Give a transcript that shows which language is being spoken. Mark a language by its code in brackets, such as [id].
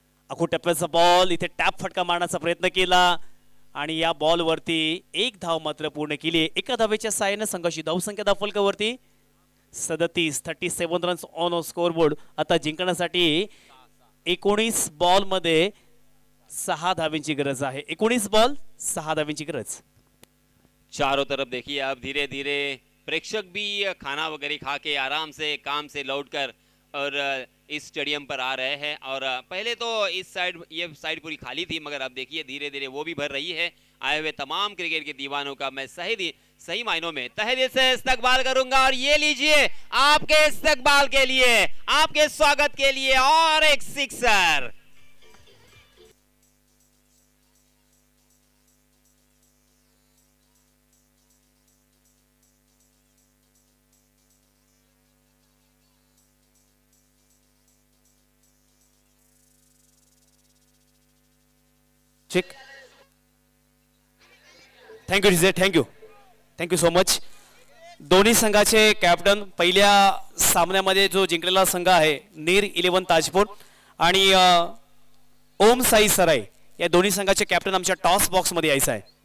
[mr] अखू टप्प्याचा बॉल इथे टॅप फटका मारण्याचा प्रयत्न केला आणि या बॉलवरती एक धाव मात्र पूर्ण केली, एका धावेच्या साह्याने संघाची धावसंख्या फलकावरती 37 [en] Runs on a scoreboard. [mr] आता जिंकण्यासाठी 19 बॉल मध्ये 6 धावींची गरज आहे, 19 बॉल 6 धावींची गरज। [hi] चारों तरफ देखिए आप, धीरे धीरे प्रेक्षक भी खाना वगैरह खा के आराम से काम से लौट कर और इस स्टेडियम पर आ रहे हैं, और पहले तो इस साइड ये साइड पूरी खाली थी, मगर अब देखिए धीरे धीरे वो भी भर रही है। आए हुए तमाम क्रिकेट के दीवानों का मैं सही मायनों में तहे दिल से इस्तकबाल करूंगा, और ये लीजिए आपके इस्तकबाल के लिए, आपके स्वागत के लिए, और एक सिक्सर। [en] चिक, thank you DJ, thank you, thank you so much. [mr] दोन्ही संघाचे कॅप्टन पहिल्या सामन्यामध्ये जो जिंकलेला संघ आहे नीर 11 ताजपूर आणि ओम साई सराय, या दोन्ही संघाचे कॅप्टन आमच्या टॉस बॉक्स मध्ये यायचं आहे।